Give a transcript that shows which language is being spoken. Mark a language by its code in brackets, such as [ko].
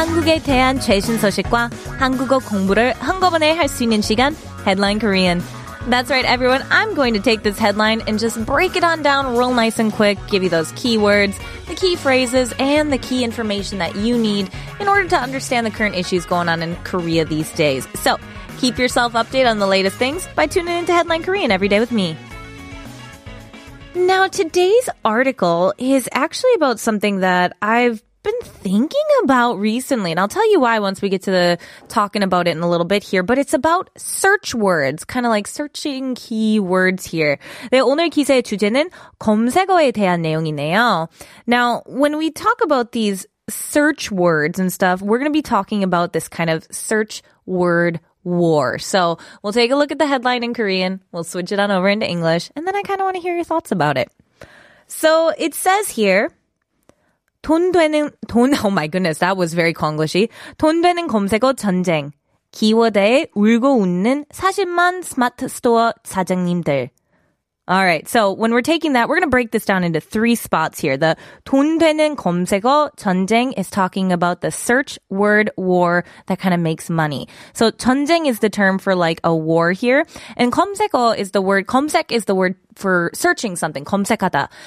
[ko] Korea에 대한 최신 소식과 한국어 공부를 한꺼번에 할 수 있는 시간, Headline Korean. [en] That's right, everyone. I'm going to take this headline and just break it on down real nice and quick, give you those keywords, the key phrases, and the key information that you need in order to understand the current issues going on in Korea these days. So keep yourself updated on the latest things by tuning into Headline Korean every day with me. Now, today's article is actually about something that I've been thinking about recently, and I'll tell you why once we get to the talking about it in a little bit here, but it's about search words, kind of like searching keywords here. [ko] 네, 오늘 기사의 주제는 검색어에 대한 내용이네요. [en] Now, when we talk about these search words and stuff, we're going to be talking about this kind of search word war. So we'll take a look at the headline in Korean, we'll switch it on over into English, and then I kind of want to hear your thoughts about it. So it says here, [ko] 돈 되는, 돈, [en] oh my goodness, that was very Konglish-y. [ko] 돈 되는 검색어 전쟁. 키워드에 울고 웃는 40만 스마트 스토어 사장님들. [en] Alright, so when we're taking that, we're going to break this down into three spots here. The [ko] 돈 되는 검색어 전쟁 [en] is talking about the search word war that kind of makes money. So 전쟁 is the term for like a war here. And 검색어 is the word, 검색 is the word for searching something, 검색하다.